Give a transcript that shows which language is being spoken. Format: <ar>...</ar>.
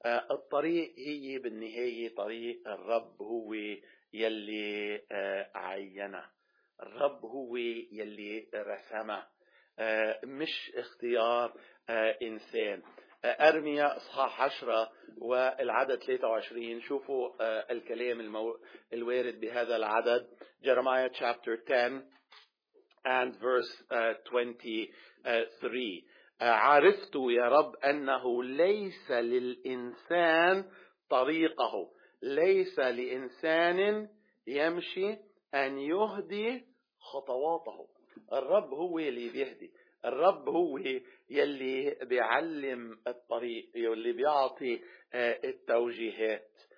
<ar>الطريق هي بالنهاية طريق الرب، هو يلي عينه، الرب هو يلي رسمه، مش اختيار إنسان. أرميا إصحاح 10 والعدد 23، شوفوا الكلام الوارد بهذا العدد.</ar> <en>Jeremiah chapter 10 and verse 23.</en> <ar>عرفت يا رب أنه ليس للإنسان طريقه، ليس لإنسان يمشي أن يهدي خطواته. الرب هو اللي بيهدي، الرب هو يلي بيعلم الطريق، يلي بيعطي التوجيهات.</ar>